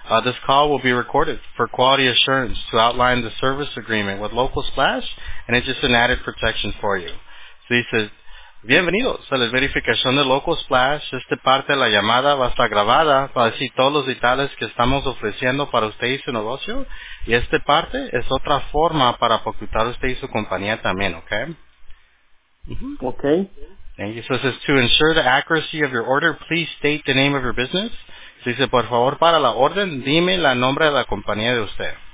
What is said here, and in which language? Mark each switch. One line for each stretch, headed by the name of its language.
English: This call will be recorded for quality assurance to outline the service agreement with Local Splash, and it's just an added protection for you. So he says,
Spanish: bienvenidos a la verificación de Local Splash. Esta parte de la llamada va a estar grabada para decir todos los detalles que estamos ofreciendo para usted y su negocio. Y esta parte es otra forma para apoyar usted y su compañía también, ¿ok?
English: Mm-hmm. Okay. Thank you. So it says, to ensure the accuracy of your order, please state the name of your business. So he said,
Spanish: por favor, para la orden, dime la nombre de la compañía de usted.